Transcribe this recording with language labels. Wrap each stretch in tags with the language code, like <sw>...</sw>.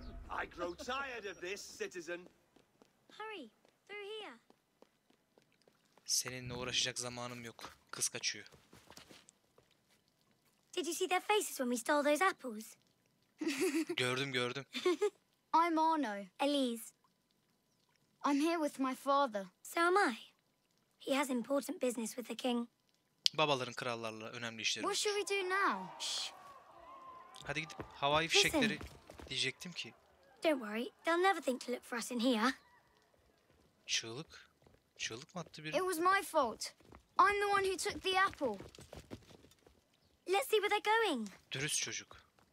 <en>I grow tired of this, citizen. Hurry, through here.</en> <tr>Seninle uğraşacak zamanım yok. Kız kaçıyor.</tr> <en>Did you see their faces when we stole those apples?</en> <tr>Gördüm, gördüm.</tr> <en>I'm Arno. Elise. I'm here with my father. So am I. He has important business with the king.</en> <tr>Babaların krallarla önemli işleri.</tr> <en>What should we do now? Shh.</en> <tr>Hadi gidip havai fişekleri diyecektim ki.</tr> <en>Don't worry. They'll never think to look for us in here.</en> <tr>Çığlık. Çığlık mı attı biri?</tr> <en>It was my fault. I'm the one who took the apple. Let's see where they're going.</en> <tr>Dürüst çocuk.</tr>